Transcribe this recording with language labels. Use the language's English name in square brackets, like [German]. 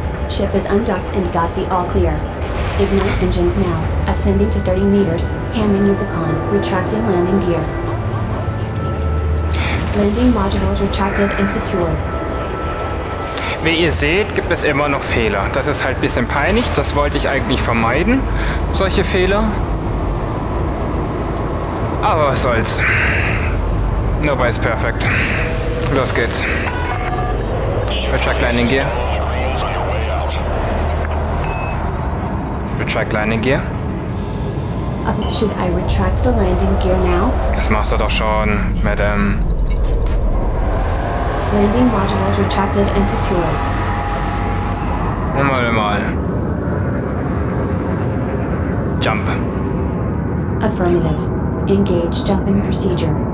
[English] Ship is undocked and got the all clear. Ignite engines now. Ascending to 30 meters. Handing you the con. Retracting landing gear. Landing modules retracted and secured. [German] Wie ihr seht, gibt es immer noch Fehler. Das ist halt ein bisschen peinlich. Das wollte ich eigentlich vermeiden. Solche Fehler. Aber was soll's. [English] Nobody is perfect. [German] Los geht's. [English] Retract landing gear. Retract landing gear. Should I retract the landing gear now? [German] Das machst du doch schon, Madam. [English] Landing modules retracted and secure. Mal. Jump. Affirmative. Engage jumping procedure.